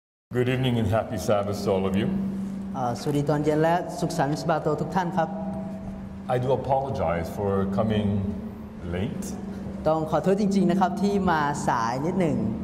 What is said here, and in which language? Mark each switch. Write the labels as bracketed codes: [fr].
[en] Good evening and happy Sabbath to all of you. [th] สวัสดีตอนเย็นและสุขสันต์สบาโตทุกท่านครับ [en] I do apologize for coming late. [th] ต้องขอโทษจริงๆนะครับที่มาสายนิดหนึ่ง